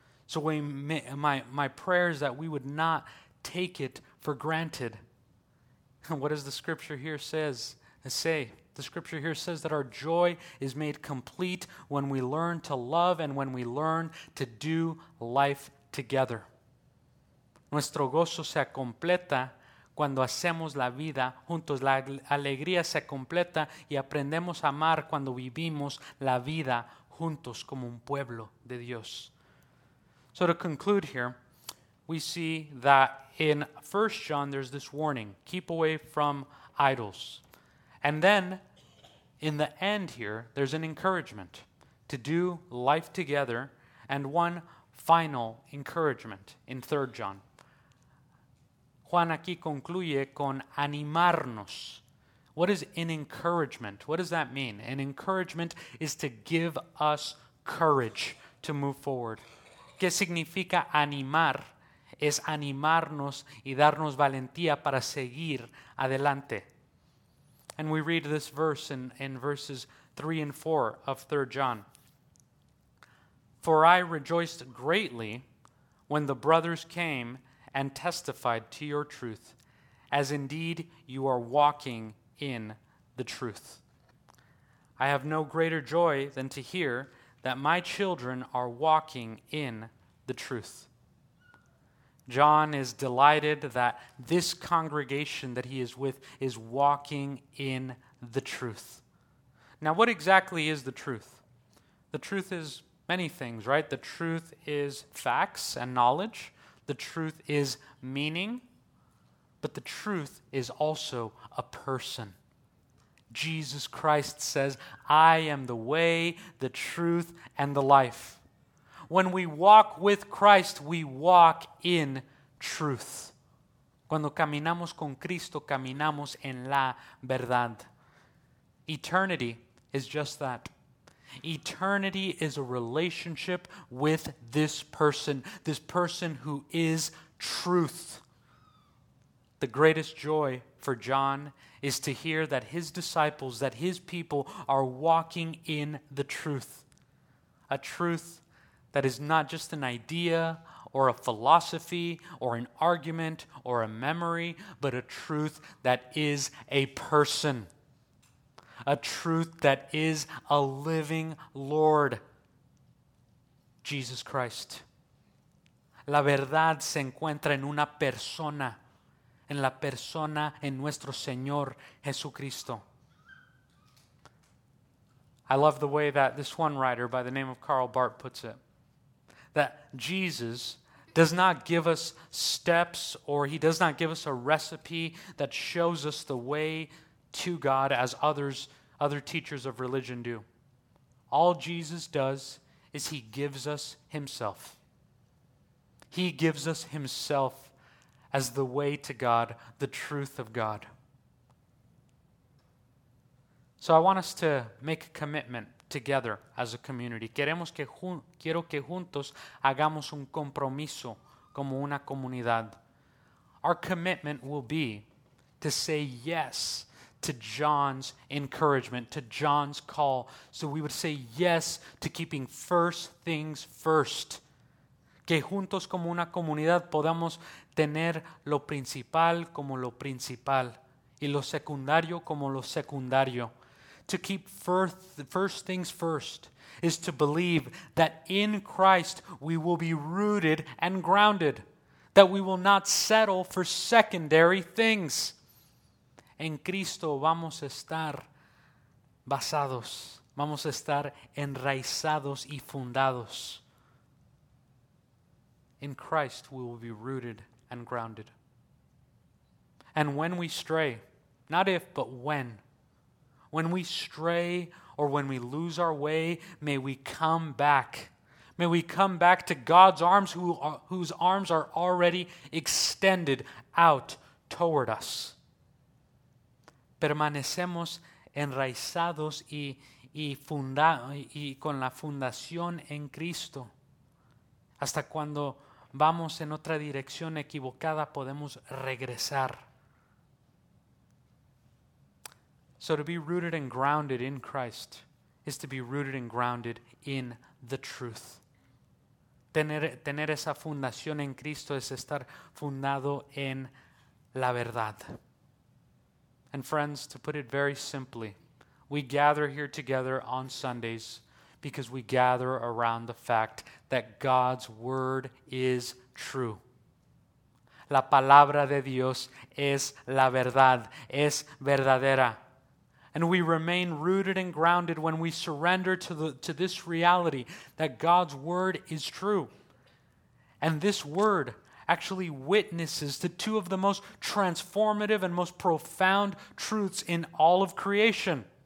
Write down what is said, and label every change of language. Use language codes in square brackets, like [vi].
[en] So my prayer is that we would not take it for granted. And what does the scripture here say? The scripture here says that our joy is made complete when we learn to love and when we learn to do life together. [es] Nuestro gozo se completa cuando hacemos la vida juntos, la alegría se completa y aprendemos a amar cuando vivimos la vida juntos como un pueblo de Dios. [en] So to conclude here, we see that in 1 John there's this warning, keep away from idols. And then in the end here, there's an encouragement to do life together and one final encouragement in 3 John. [es] Juan aquí concluye con animarnos. [en] What is an encouragement? What does that mean? An encouragement is to give us courage to move forward. [es] ¿Qué significa animar? es animarnos y darnos valentía para seguir adelante. [en] And we read this verse in verses 3 and 4 of 3 John. For I rejoiced greatly when the brothers came and testified to your truth, as indeed you are walking in the truth. I have no greater joy than to hear that my children are walking in the truth. John is delighted that this congregation that he is with is walking in the truth. Now, what exactly is the truth? The truth is many things, right? The truth is facts and knowledge. The truth is meaning. But the truth is also a person. Jesus Christ says, I am the way, the truth, and the life. When we walk with Christ, we walk in truth. [es] Cuando caminamos con Cristo, caminamos en la verdad. [en] Eternity is just that. Eternity is a relationship with this person who is truth. The greatest joy for John is to hear that his disciples, that his people are walking in the truth. A truth that is not just an idea or a philosophy or an argument or a memory, but a truth that is a person. A truth that is a living Lord, Jesus Christ. [es] La verdad se encuentra en una persona, en la persona en nuestro Señor Jesucristo. [en] I love the way that this one writer by the name of Karl Barth puts it. That Jesus does not give us steps, or he does not give us a recipe that shows us the way to God as other teachers of religion do. All Jesus does is he gives us himself. He gives us himself as the way to God, the truth of God. So I want us to make a commitment together as a community. [es] Quiero que juntos hagamos un compromiso como una comunidad. [en] Our commitment will be to say yes to John's encouragement, to John's call. So we would say yes to keeping first things first. [es] Que juntos como una comunidad podamos tener lo principal como lo principal y lo secundario como lo secundario. [en] To keep first things first is to believe that in Christ we will be rooted and grounded, that we will not settle for secondary things. [es] En Cristo vamos a estar basados, vamos a estar enraizados y fundados. [en] In Christ we will be rooted and grounded. And when we stray, not if, but when we stray or when we lose our way, may we come back. May we come back to God's arms whose arms are already extended out toward us. [es] Permanecemos enraizados y con la fundación en Cristo. Hasta cuando vamos en otra dirección equivocada, podemos regresar. [en] So to be rooted and grounded in Christ is to be rooted and grounded in the truth. [es] Tener esa fundación en Cristo es estar fundado en la verdad. [en] And friends, to put it very simply, we gather here together on Sundays because we gather around the fact that God's word is true. [es] La palabra de Dios es la verdad, es verdadera. [en] And we remain rooted and grounded when we surrender to this reality that God's word is true. And this word actually witnesses to two of the most transformative and most profound truths in all of creation.